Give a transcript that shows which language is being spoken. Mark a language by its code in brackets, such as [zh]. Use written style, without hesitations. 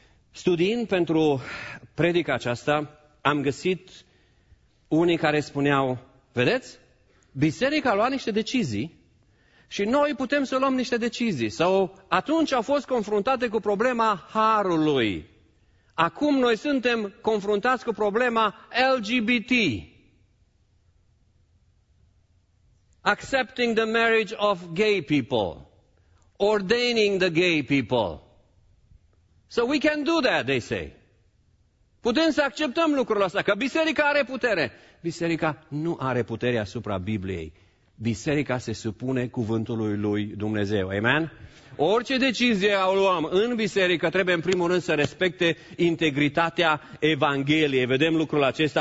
[ro] Studiind pentru predica aceasta, am găsit unii care spuneau, vedeți, biserica a luat niște decizii și noi putem să luăm niște decizii. Sau atunci au fost confruntate cu problema harului. Acum noi suntem confruntați cu problema LGBT. [en] Accepting the marriage of gay people. Ordaining the gay people. So we can do that, they say. [ro] Putem să acceptăm lucrul ăsta, că biserica are putere. Biserica nu are putere asupra Bibliei. Biserica se supune cuvântului lui Dumnezeu. Amen? Orice decizie o luăm în biserică, trebuie în primul rând să respecte integritatea Evangheliei. Vedem lucrul acesta.